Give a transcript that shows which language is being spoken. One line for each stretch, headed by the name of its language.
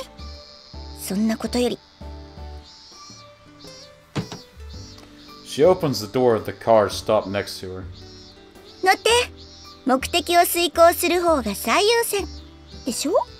Japanese: はいはい、来た早々とんでもない目にあったのはわかるけど、八つ当たりはしないでちょうだい。そんなことより。
English: She opens the door of the car stopped next to her.
Japanese: 乗って、目的を遂行する方が最優先、でしょ?